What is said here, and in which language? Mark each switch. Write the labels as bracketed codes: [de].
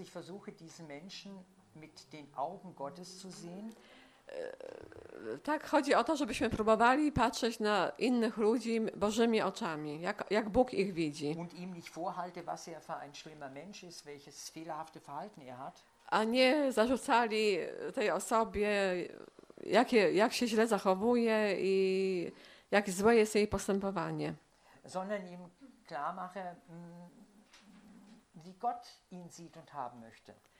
[de] Dass ich versuche diesen Menschen mit den Augen Gottes zu sehen. [pl] Tak, chodzi o to, żebyśmy próbowali patrzeć na innych ludzi Bożymi oczami, jak Bóg ich widzi. [de] Und ihm nicht vorhalte, was er für ein schlimmer Mensch ist, welches fehlerhafte Verhalten er hat. [pl] A nie zarzucali tej osobie, jak się źle zachowuje i jak złe jest jej postępowanie. [de] Sondern ihm klar mache, wie Gott ihn sieht und haben möchte.